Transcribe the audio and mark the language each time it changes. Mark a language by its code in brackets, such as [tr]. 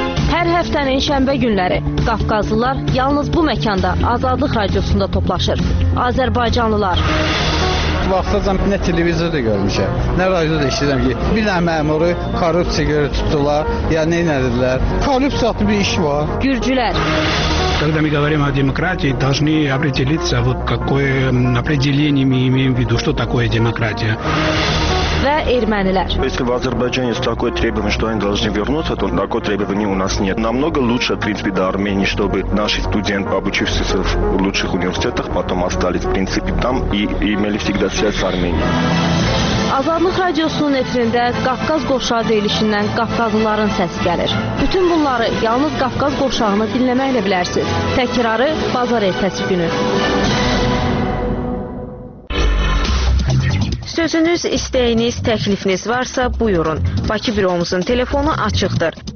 [az] Hər həftənin şənbə günləri Qafqazlılar yalnız bu məkanda Azadlıq Radiosunda toplaşır. Azərbaycanlılar. Vaxtacam nə televizor da görmüşəm, nə radio da işləyirəm ki, bir dənə məmuru korrupsiya görə tutdular, ya nə elədirlər? Korrupsiya adlı bir iş var. Gürcülər. [ru] Когда мы говорим о демократии, должны определиться, вот какое определение мы имеем в виду, что такое демократия. [az] Və ermənilər. [ru] Если в Азербайджане есть такое требование, что они должны вернуться, то такое требование у нас нет. Намного лучше, в принципе, до Армении, чтобы наши студенты, обучившиеся в лучших университетах, потом остались, в принципе, там и имели всегда связь с Арменией. [az] Azadlıq Radiosunun efirində Qafqaz Qovşağı deyilişindən Qafqazlıların səsi gəlir. Bütün bunları yalnız Qafqaz Qovşağını dinləməklə bilərsiniz. Təkrarı bazar ertəsi günü. Sözünüz, istəyiniz, təklifiniz varsa buyurun. Bakı büromuzun telefonu açıqdır.